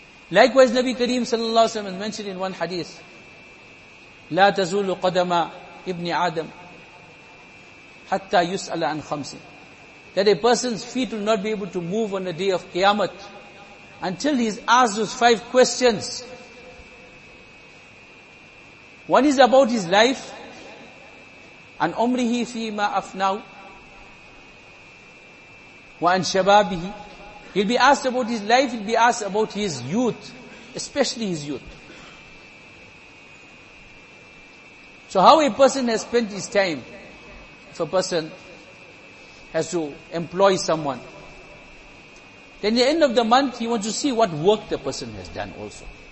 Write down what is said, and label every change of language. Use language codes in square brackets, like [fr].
[en] Likewise, Nabi Kareem sallallahu alaihi wasallam has mentioned in one hadith, [ar] لا تزول قدم ابن آدم حتى يسأل عن خمسة, [en] that a person's feet will not be able to move on the day of Qiyamah until he's asked those five questions. One is about his life, [ar] عن عمره فيما أفناه وعن شبابه. [en] He'll be asked about his life, he'll be asked about his youth, especially his youth. So how a person has spent his time, if a person has to employ someone, then at the end of the month, he wants to see what work the person has done also.